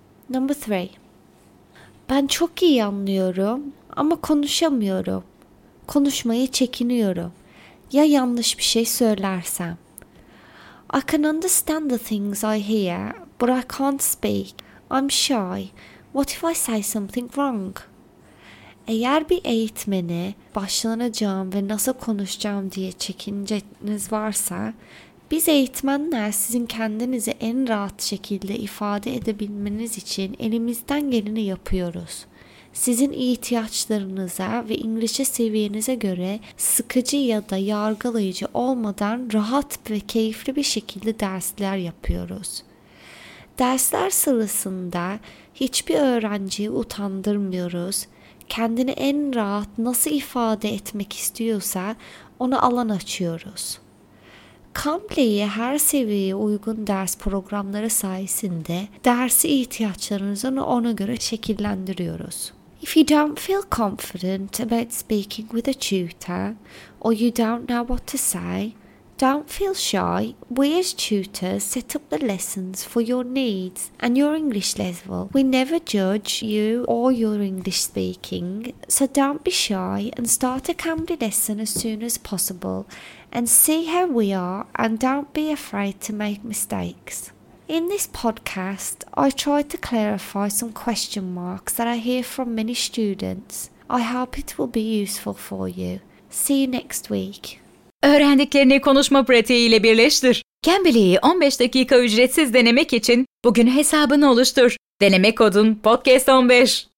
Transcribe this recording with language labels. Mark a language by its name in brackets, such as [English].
[English] Number 3. [Turkish] Ben çok iyi anlıyorum ama konuşamıyorum. Konuşmaya çekiniyorum. Ya yanlış bir şey söylersem? [English] I can understand the things I hear, but I can't speak. I'm shy. What if I say something wrong? [Turkish] Eğer bir eğitmene başlanacağım ve nasıl konuşacağım diye çekinceniz varsa, biz eğitmenler sizin kendinizi en rahat şekilde ifade edebilmeniz için elimizden geleni yapıyoruz. Sizin ihtiyaçlarınıza ve İngilizce seviyenize göre sıkıcı ya da yargılayıcı olmadan rahat ve keyifli bir şekilde dersler yapıyoruz. Dersler sırasında hiçbir öğrenciyi utandırmıyoruz. Kendini en rahat nasıl ifade etmek istiyorsa ona alan açıyoruz. Cambly'ye her seviyeye uygun ders programları sayesinde dersi ihtiyaçlarınızı ona göre şekillendiriyoruz. [English] If you don't feel confident about speaking with a tutor or you don't know what to say, don't feel shy. We as tutors set up the lessons for your needs and your English level. We never judge you or your English speaking, so don't be shy and start a Cambly lesson as soon as possible and see how we are and don't be afraid to make mistakes. In this podcast, I try to clarify some question marks that I hear from many students. I hope it will be useful for you. See you next week. [Turkish] Öğrendiklerini konuşma pratiği ile birleştir. Cambly'yi 15 dakika ücretsiz denemek için bugün hesabını oluştur. Deneme kodun podcast15.